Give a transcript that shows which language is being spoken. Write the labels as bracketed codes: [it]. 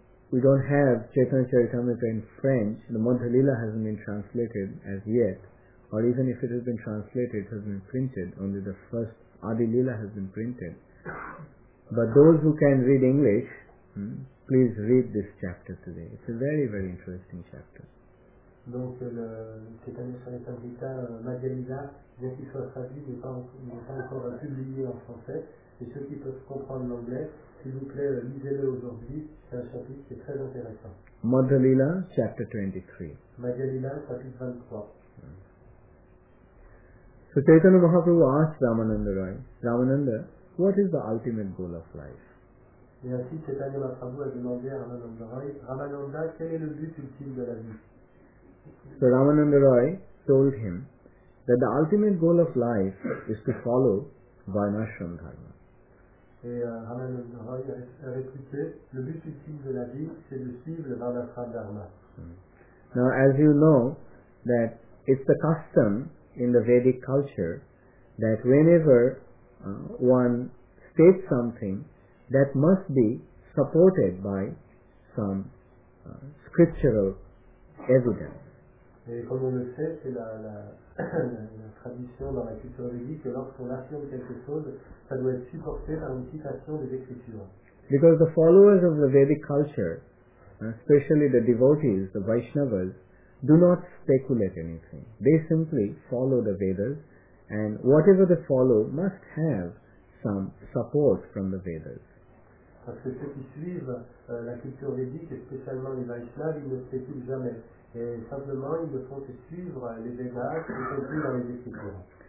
[en] We don't have Chaitanya Charitamrita in French. The Madhya-lila hasn't been translated as yet. Or even if it has been translated, it has been printed. Only the first Adi-lila has been printed. But those who can read English, please read this chapter today. It's a very, very interesting chapter. [fr] Donc, le Chaitanya Charitamrita Madhya-lila, bien qu'il soit traduit, n'est pas encore publié en français. Et ceux qui peuvent comprendre l'anglais, s'il vous plaît, lisez-le aujourd'hui. C'est un chapitre qui est très intéressant. [en] Madhya-lila, chapter 23. [fr] Madhya-lila, chapitre 23. [en] So Chaitanya Mahaprabhu asked Ramananda Roy, Ramananda, what is the ultimate goal of life? [fr] Et ainsi Chaitanya Mahaprabhu a demandé à Ramananda Roy, Ramananda, quel est le but ultime de la vie? [en] So Ramananda Roy told him that the ultimate goal of life is to follow Vaishnava Dharma. [fr] Et Ramananda Roy a répliqué, le but ultime de la vie, c'est de suivre le Vaishnava Dharma. [en] Now as you know, that it's the custom in the Vedic culture that whenever one states something, that must be supported by some scriptural evidence. [fr] Et comme on le sait, c'est la tradition dans la culture védique que lorsqu'on affirme quelque chose, ça doit être supporté par une citation des Écritures. [en] Because the followers of the Vedic culture, especially the devotees, the Vaishnavas, do not speculate anything. They simply follow the Vedas, and whatever they follow must have some support from the Vedas. [fr] Parce que ceux qui suivent la culture védique, et spécialement les Vaishnavas, ils ne spéculent jamais. Et simplement, ils ne font que suivre les Vedas, y compris dans les Écritures.